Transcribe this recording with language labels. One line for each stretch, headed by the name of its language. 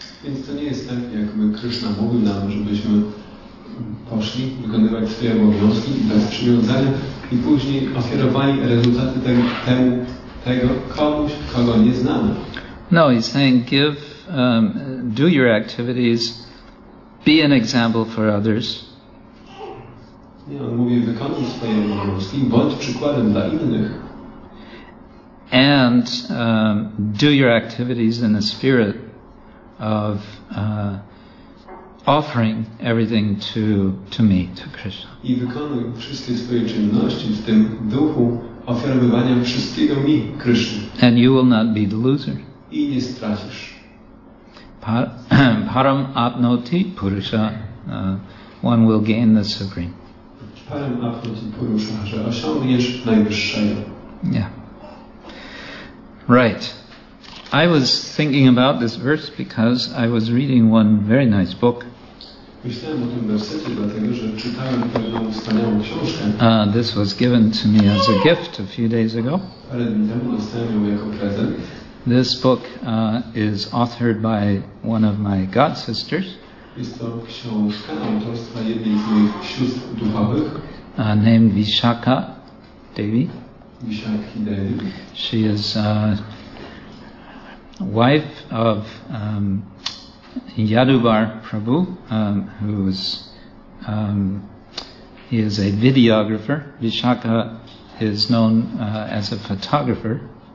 Polish: Więc to nie jest tak, jakby Krishna mówił nam, żebyśmy poszli wykonywać swoje obowiązki bez przywiązania i później ofiarowali rezultaty tego komuś, kogo nie znamy.
English: No, he's saying give, do your activities, be an example for others.
Polish: Nie, on mówi wykonuj swoje obowiązki, bądź przykładem dla innych.
English: and do your activities in the spirit of offering everything to me, to Krishna.
Polish: I wykonuj wszystkie swoje czynności w tym duchu ofiarowywania wszystkiego mi, Krishna.
English: And you will not be the loser.
Polish: I nie stracisz.
Sanskrit: Param apnoti purusha,
English: one will gain the supreme.
Sanskrit: Param apnoti purusha,
Polish: że osiągniesz najwyższego.
English: Yeah. Right. I was thinking about this verse because I was reading one very nice book.
Polish: Myślałem o tym wersecie, dlatego że czytałem pewną wspaniałą książkę.
English: This was given to me as a gift a few days ago.
Polish: Parę dni temu dostałem ją jako prezent.
English: This book is authored by one of my god sisters.
Polish: Jest to książka autorstwa jednej z moich sióstr duchowych.
English: Named Vishakha Devi.
Polish: Vishakhi Devi.
English: She is wife of Yadubar Prabhu, who is he is a videographer. Vishakha is known as a photographer.